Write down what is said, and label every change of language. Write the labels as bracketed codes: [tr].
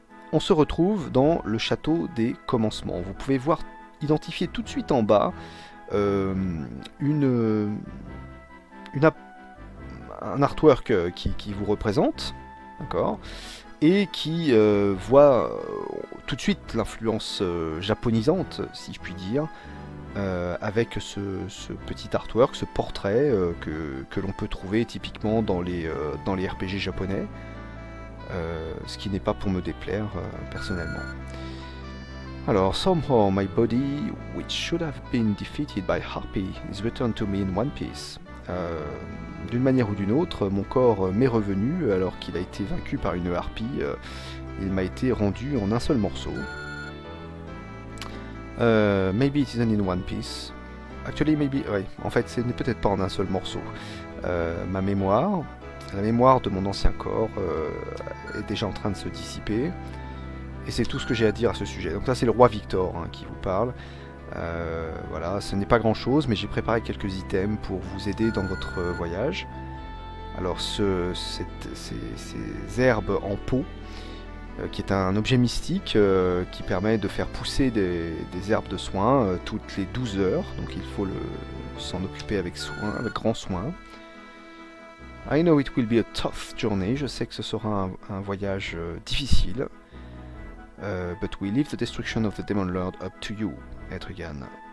[fr] On se retrouve dans le château des commencements. Vous pouvez voir, identifier tout de suite en bas un artwork qui vous représente, d'accord, et qui voit tout de suite l'influence japonisante, si je puis dire, avec ce petit artwork, ce portrait que l'on peut trouver typiquement dans les RPG japonais. Ce qui n'est pas pour me déplaire personnellement. [en] Alors, somehow my body, which should have been defeated by Harpy, is returned to me in one piece. [fr] D'une manière ou d'une autre, mon corps m'est revenu alors qu'il a été vaincu par une Harpy. Il m'a été rendu en un seul morceau. [en] Maybe it isn't in one piece. Actually, maybe. [fr] Oui, en fait, ce n'est peut-être pas en un seul morceau. Ma mémoire. La mémoire de mon ancien corps est déjà en train de se dissiper. Et c'est tout ce que j'ai à dire à ce sujet. Donc ça, c'est le roi Victor hein, qui vous parle. Voilà, ce n'est pas grand-chose, mais j'ai préparé quelques items pour vous aider dans votre voyage. Alors, ces herbes en pot, qui est un objet mystique, qui permet de faire pousser des herbes de soins toutes les 12 heures. Donc il faut s'en occuper avec soin, avec grand soin. [en] I know it will be a tough journey. [fr] Je sais que ce sera un voyage difficile. [en] But we leave the destruction of the Demon Lord up to you, Etrigan.